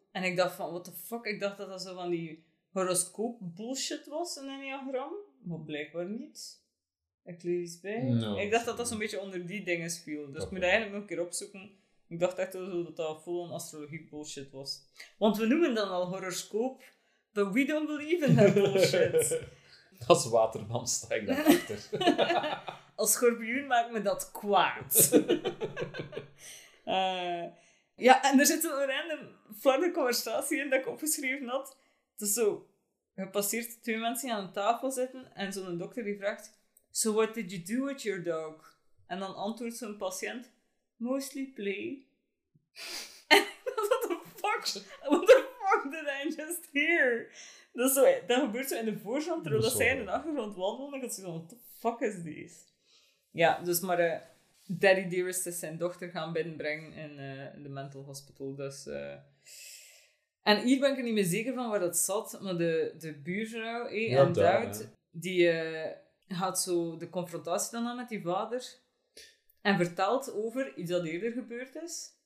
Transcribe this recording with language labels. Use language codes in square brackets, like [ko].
[nl] En ik dacht van, [en] what the fuck? [nl] Ik dacht dat dat zo van die horoscoop bullshit was, een enneagram. Maar blijkbaar niet. Ik lees iets bij. [en] No, [nl] ik dacht dat dat zo'n beetje onder die dingen viel. Dus ik moet dat eigenlijk nog een keer opzoeken. Ik dacht echt zo dat dat vol een astrologie bullshit was. Want we noemen dan al horoscoop, [en] but we don't believe in that bullshit. [nl] Dat is waterman, sta ik daar achter. Als schorpioen maakt me dat kwaad. Ja, en er zit een random flarde conversatie in dat ik opgeschreven had. Het is zo gepasseerd, twee mensen aan een tafel zitten en zo'n dokter die vraagt: [en] so what did you do with your dog? [nl] En dan antwoordt zo'n patiënt: [en] mostly play. En what the fuck did I just hear? [nl] Dat, zo, dat gebeurt zo in de voorstand, terwijl dat zij in de achtergrond wandelen. En ik had zoiets van, [en] what the fuck is this? [nl] Ja, dus maar... Daddy Dearest is zijn dochter gaan binnenbrengen in de mental hospital. Dus, en hier ben ik er niet meer zeker van waar dat zat, maar de buurvrouw, en Duid, die gaat zo de confrontatie dan aan met die vader en vertelt over iets dat eerder gebeurd is.